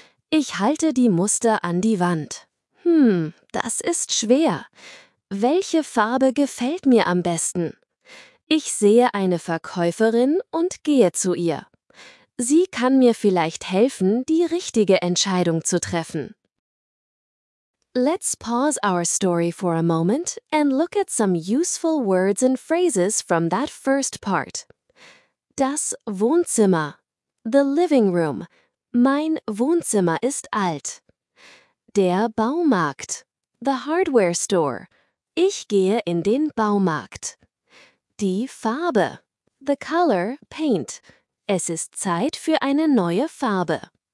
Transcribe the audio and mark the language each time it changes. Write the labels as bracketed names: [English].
[German] Ich halte die Muster an die Wand. Das ist schwer. Welche Farbe gefällt mir am besten? Ich sehe eine Verkäuferin und gehe zu ihr. Sie kann mir vielleicht helfen, die richtige Entscheidung zu treffen. [English] Let's pause our story for a moment and look at some useful words and phrases from that first part. [German] Das Wohnzimmer. [English] The living room. [German] Mein Wohnzimmer ist alt. Der Baumarkt. [English] The hardware store. [German] Ich gehe in den Baumarkt. Die Farbe. [English] The color, paint. [German] Es ist Zeit für eine neue Farbe.